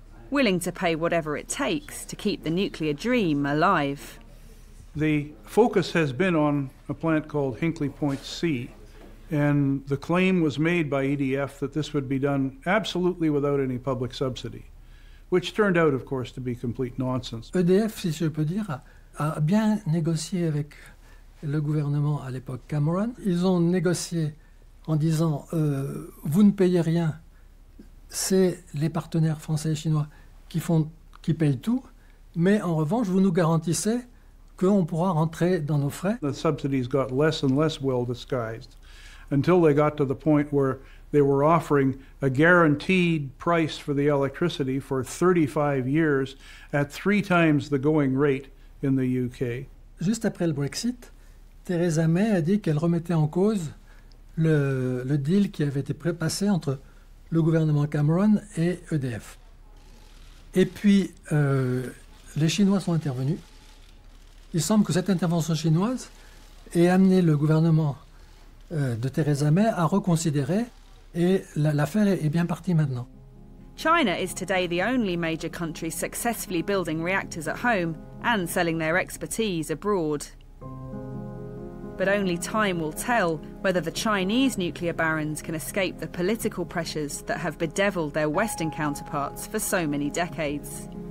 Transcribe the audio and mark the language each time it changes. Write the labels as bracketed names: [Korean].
[English] Willing to pay whatever it takes to keep the nuclear dream alive. The focus has been on a plant called Hinkley Point C. And the claim was made by EDF that this would be done absolutely without any public subsidy, which turned out, of course, to be complete nonsense. [French] EDF, si je peux dire, a bien négocié avec le gouvernement à l'époque Cameron. Ils ont négocié en disant, vous ne payez rien, c'est les partenaires français et chinois qui payent tout, mais en revanche, vous nous garantissez qu'on pourra rentrer dans nos frais. [English] The subsidies got less and less well disguised, until they got to the point where they were offering a guaranteed price for the electricity for 35 years at three times the going rate in the UK. [French] Juste après le Brexit, Theresa May a dit qu'elle remettait en cause le deal qui avait été passé entre le gouvernement Cameron et EDF. Et puis, les Chinois sont intervenus. Il semble que cette intervention chinoise ait amené le gouvernement de Theresa May à reconsidérer, et l'affaire est bien partie maintenant. [English] China is today the only major country successfully building reactors at home and selling their expertise abroad. But only time will tell whether the Chinese nuclear barons can escape the political pressures that have bedeviled their Western counterparts for so many decades.